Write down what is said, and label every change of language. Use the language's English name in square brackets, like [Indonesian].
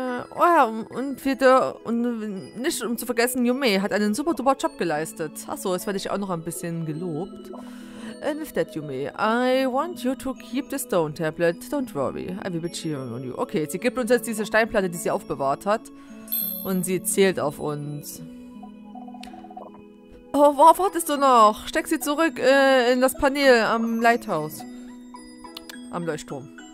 [German] Und nicht um zu vergessen, Yume hat einen super duper Job geleistet. Achso, jetzt werde ich auch noch ein bisschen gelobt. [English] And with that, Yume, I want you to keep the stone tablet. Don't worry, I will be cheering on you. [German] Okay, sie gibt uns jetzt diese Steinplatte, die sie aufbewahrt hat. Und sie zählt auf uns. Oh, worauf wartest du noch? Steck sie zurück in das Panel am Lighthouse. Am Leuchtturm.